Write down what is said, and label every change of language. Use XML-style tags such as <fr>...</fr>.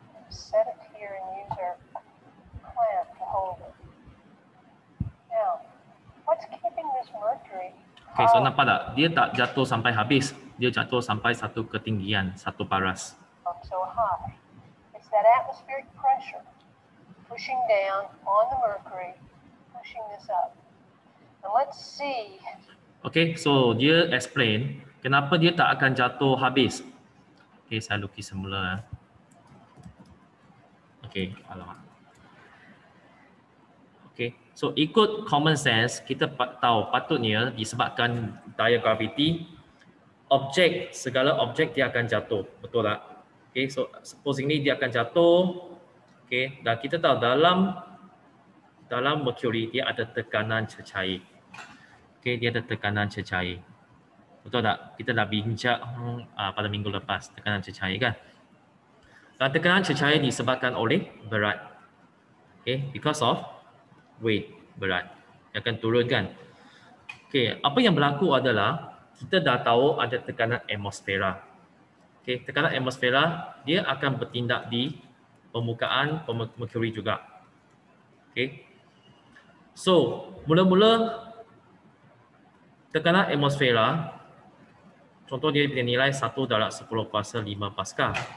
<en>Set it here and use our clamp to hold it. Now, what's keeping this mercury?</en> <ms>Okay, so nampak tak? Dia tak jatuh sampai habis. Dia jatuh sampai satu ketinggian, satu paras.</ms> <en>So high. It's that atmospheric pressure pushing down on the mercury. Pushing this up. Let's see.</en> <ms>Okay, so dia explain kenapa dia tak akan jatuh habis. Okay, saya lukis semula. Okay, alamak. Okay, so ikut common sense, kita tahu patutnya disebabkan daya gravity, objek, segala objek dia akan jatuh. Betul tak? Okay, so supposing ni dia akan jatuh. Okay, dan kita tahu dalam mercury, dia ada tekanan cecair. Okay, dia ada tekanan cecair. Betul tak? Kita dah bincang pada minggu lepas tekanan cecair kan? Dan tekanan cecair disebabkan oleh berat.</ms> <en>Okay, because of weight,</en> <ms>berat. Dia akan turun kan? Okay, apa yang berlaku adalah kita dah tahu ada tekanan atmosfera. Okay, tekanan atmosfera dia akan bertindak di permukaan mercury juga. Okay. So, mula-mula tekanan atmosfera, contoh dia punya nilai 1 darab 10 kuasa 5 pascal.</ms>